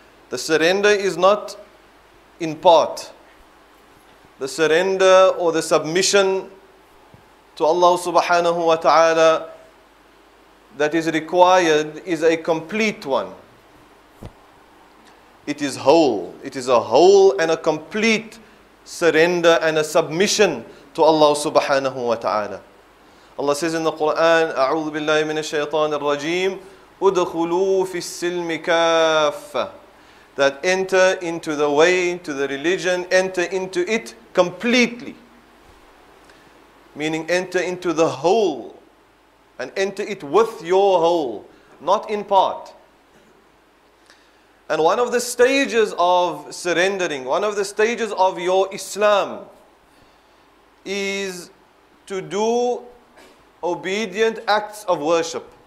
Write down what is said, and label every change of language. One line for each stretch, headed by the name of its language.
English: The surrender is not in part. The surrender or the submission to Allah subhanahu wa ta'ala that is required is a complete one. It is whole. It is a whole and a complete surrender and a submission to Allah subhanahu wa ta'ala. Allah says in the Quran,
Arabic: أعوذ بالله من الشيطان الرجيم أدخلوا في السلم كافة.
English: That enter into the way, into the religion, enter into it completely. Meaning enter into the whole and enter it with your whole, not in part. And one of the stages of surrendering, one of the stages of your Islam is to do obedient acts of worship.